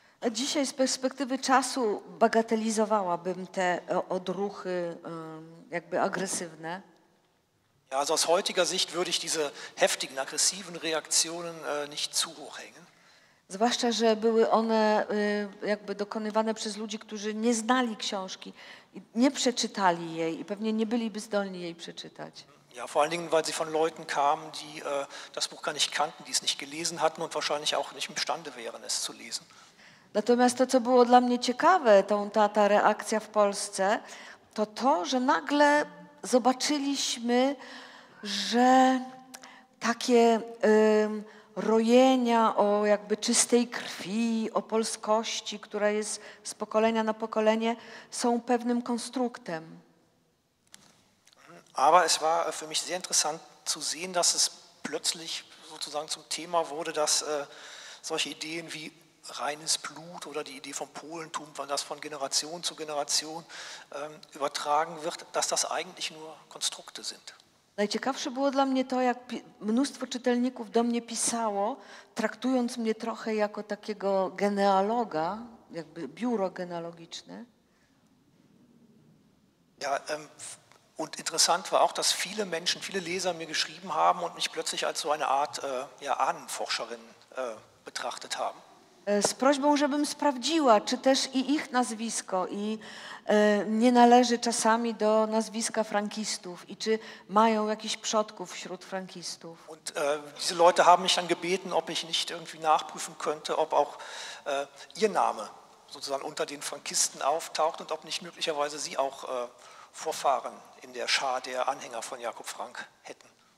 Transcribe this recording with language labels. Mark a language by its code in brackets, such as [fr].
[pl] Dzisiaj z perspektywy czasu bagatelizowałabym te odruchy jakby agresywne. [de] Ja, also aus heutiger Sicht würde ich diese heftigen, aggressiven Reaktionen nicht zu hoch hängen. [pl] Zwłaszcza, że były one jakby dokonywane przez ludzi, którzy nie znali książki nie przeczytali jej i pewnie nie byliby zdolni jej przeczytać. [de] Ja, vor allen Dingen, weil sie von Leuten kamen, die das Buch gar nicht kannten, die es nicht gelesen hatten und wahrscheinlich auch nicht imstande wären, es zu lesen. [pl] Natomiast to, co było dla mnie ciekawe, ta reakcja w Polsce, to, że nagle zobaczyliśmy, że takie rojenia o jakby czystej krwi, o polskości, która jest z pokolenia na pokolenie, są pewnym konstruktem. [de] Aber es war für mich sehr interessant zu sehen, dass es plötzlich sozusagen zum Thema wurde, dass solche Ideen wie reines Blut oder die Idee vom Polentum, wann das von Generation zu Generation übertragen wird, dass das eigentlich nur Konstrukte sind. [pl] Najciekawsze było dla mnie to, jak mnóstwo czytelników do mnie pisało, traktując mnie trochę jako takiego genealoga, jakby biuro genealogiczne. [de] Ja, und interessant war auch, dass viele Menschen, viele Leser mir geschrieben haben und mich plötzlich als so eine Art Ahnenforscherin betrachtet haben. [pl] Z prośbą, żebym sprawdziła, czy też i ich nazwisko i nie należy czasami do nazwiska frankistów i czy mają jakiś przodków wśród frankistów. [de] Und diese Leute haben mich dann gebeten, ob ich nicht irgendwie nachprüfen könnte, ob auch ihr Name sozusagen unter den Frankisten auftaucht und ob nicht möglicherweise sie auch Vorfahren in der Schar der Anhänger von Jakob Frank hätten.